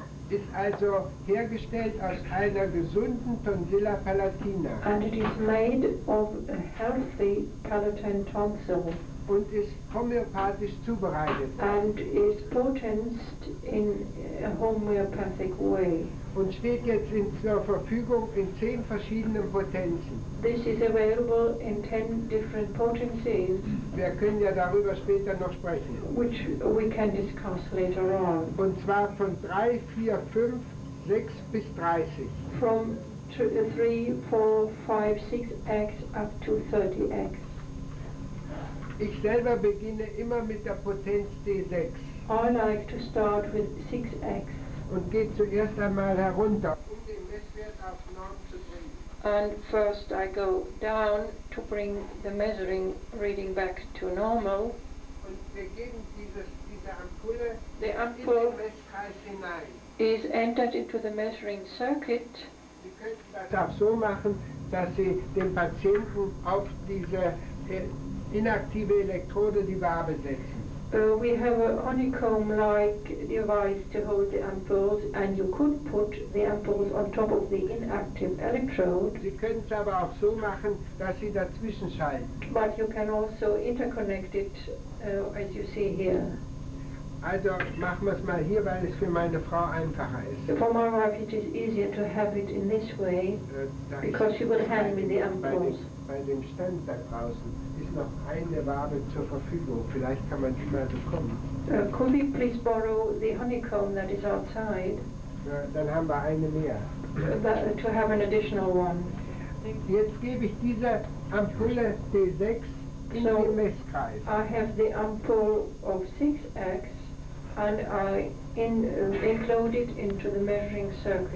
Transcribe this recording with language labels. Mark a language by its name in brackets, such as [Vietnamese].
[German] Ist also hergestellt aus einer gesunden Tonsilla palatina. [English] And it is made of a healthy palatine tonsil. [German] Und ist homöopathisch zubereitet. [English] And is potenced in a homeopathic way. [German] Und steht jetzt in zur Verfügung in 10 verschiedenen Potenzen. [English] This is available in 10 different potencies. [German] Wir können ja darüber später noch sprechen. [English] Which we can discuss later on. [German] Und zwar von 3, 4, 5, 6 bis 30. [English] From 3, 4, 5, 6 X up to 30 X. [German] Ich selber beginne immer mit der Potenz D6. [English] I like to start with 6X. [German] Und geht zuerst einmal herunter, um den Messwert auf Norm zu bringen. [English] And first I go down to bring the measuring reading back to normal. [German] Und wir geben diese Ampulle in den Messkreis hinein. [English] Is entered into the measuring circuit. [German] Sie können das auch so machen, dass Sie den Patienten auf diese inaktive Elektrode die Wabe setzen. [English] We have a honeycomb-like device to hold the ampoules, and you could put the ampoules on top of the inactive electrode. [German] Sie können es aber auch so machen, dass Sie dazwischen schalten. [English] But you can also interconnect it, as you see here. [German] Also machen wir es mal hier, weil es für meine Frau einfacher ist. [English] For my wife it is easier to have it in this way, because she will hand me the ampoules. [German] Bei dem Stand da draußen ist noch eine Wabe zur Verfügung. Vielleicht kann man die mal bekommen. [English] Could we please borrow the honeycomb that is outside? [German] Dann haben wir eine mehr. [English] To have an additional one. [German] Jetzt gebe ich diese Ampulle D6 in so den Messkreis. [English] I have the ampoule of 6X and I include it into the measuring circuit.